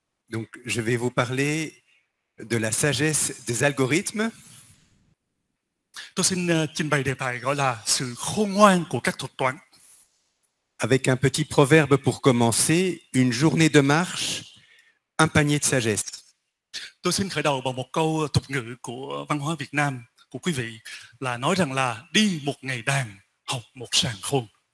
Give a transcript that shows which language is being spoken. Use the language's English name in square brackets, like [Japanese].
[French] Donc, je vais vous parler de la sagesse des algorithmes. [Vietnamese] Tôi xin trình bày đề tài gọi là sự khôn ngoan của các thuật toán. [French] Avec un petit proverbe pour commencer, une journée de marche, un panier de sagesse. [Vietnamese] Tôi xin khởi đầu bằng một câu tục ngữ của văn hóa Việt Nam của quý vị là nói rằng là đi một ngày đàn, học một sàng khôn.